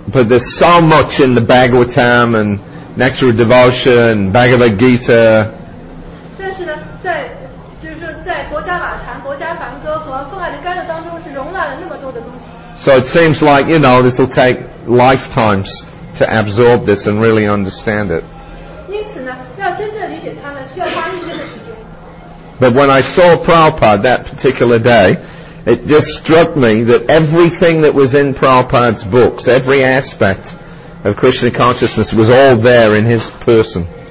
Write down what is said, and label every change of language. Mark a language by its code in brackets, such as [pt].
[en] But there's so much in the Bhagavatam and Nectar of Devotion and Bhagavad Gita. [zh] 但是呢，在就是在《国家瓦坛》《国家梵歌》和《更爱的甘露》当中，是容纳了那么多的东西。 [en] So it seems like this will take lifetimes to absorb this and really understand it. [zh] 因此呢，要真正理解它呢，需要花一些的时间。 [en] But when I saw Prabhupada that particular day. It just struck me that everything that was in Prabhupada's books, every aspect of Krishna consciousness was all there in his person.